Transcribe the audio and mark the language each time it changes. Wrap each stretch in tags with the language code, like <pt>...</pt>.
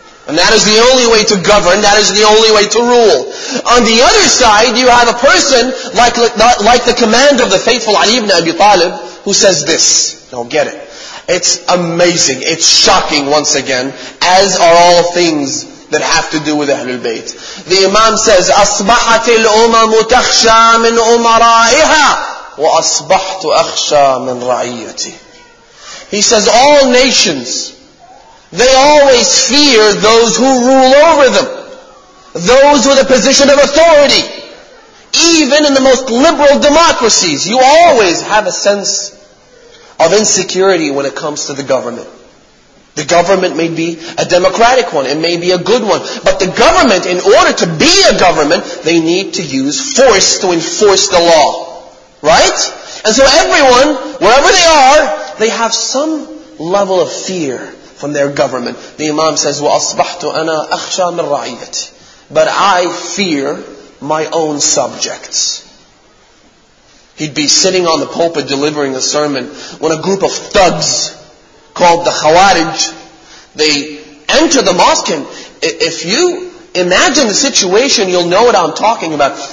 <en>And that is the only way to govern, that is the only way to rule. On the other side, you have a person like the commander of the faithful Ali ibn Abi Talib, who says this. Don't get it. It's amazing, it's shocking once again, as are all things that have to do with Ahlul Bayt. The Imam says,</en> <ar>أَصْبَحَتِ الْأُمَمُ تَخْشَى مِنْ أُمَرَائِهَا وَأَصْبَحْتُ أَخْشَى مِنْ رَعِيَّتِي.</ar> <en>He says, all nations, they always fear those who rule over them, those with a position of authority. Even in the most liberal democracies, you always have a sense of insecurity when it comes to the government. The government may be a democratic one, it may be a good one, but the government, in order to be a government, they need to use force to enforce the law. Right? And so everyone, wherever they are, they have some level of fear from their government. The Imam says,</en> <ar>وَأَصْبَحْتُ أَنَا أَخْشَى مِنْ رَعِيَتِ.</ar> <en>But I fear my own subjects. He'd be sitting on the pulpit delivering a sermon when a group of thugs called the Khawarij, they enter the mosque. And if you imagine the situation, you'll know what I'm talking about.</en>